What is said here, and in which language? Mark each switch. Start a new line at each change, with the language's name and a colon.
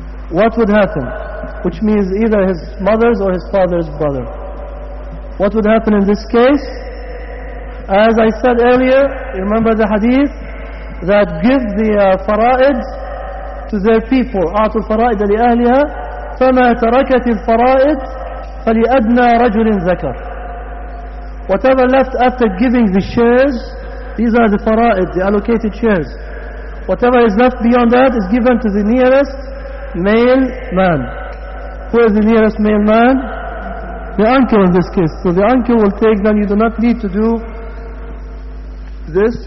English: What would happen? Which means either his mother's or his father's brother. What would happen in this case? As I said earlier, you remember the hadith that give the fara'id to their people.
Arabic: أعطوا الفرائد لأهلها فما تركت الفرائد فلأدنى رجل ذكر.
English: Whatever left after giving the shares, these are the fara'id, the allocated shares. Whatever is left beyond that is given to the nearest male man. Who is the nearest male man? The uncle in this case. So the uncle will take them. You do not need to do this.